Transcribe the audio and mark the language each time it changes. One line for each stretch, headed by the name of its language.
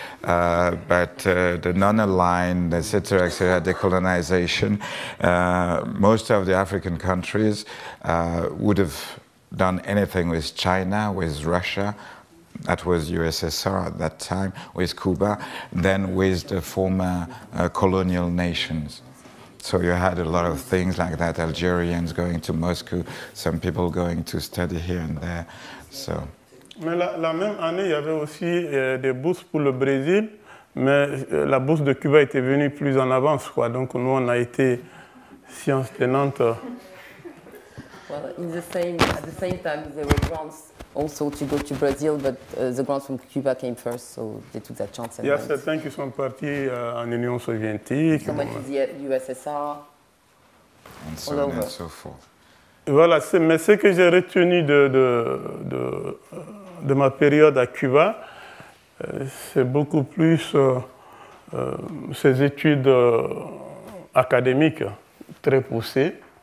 English: But the non-aligned, et cetera, et cetera, decolonization, most of the African countries would have done anything with China, with Russia, that was USSR at that time, with Cuba, then with the former colonial nations. So you had a lot of things like that, Algerians going to Moscow, some people going to study here and there. So.
French: Mais la même année, il y avait aussi des bourses pour le Brésil, mais la bourse de Cuba était venue plus en avance, quoi. Donc nous, on a été science tenante.
English: Well, in the same at the same time, there were grants also to go to Brazil, but the grants from Cuba came first, so they took that chance.
French: Il y a certains qui sont partis en Union soviétique.
English: Someone to the USSR, and so on and so forth.
French: Voilà, mais ce que j'ai retenu de ma période à Cuba, c'est beaucoup plus ces études académiques très poussées.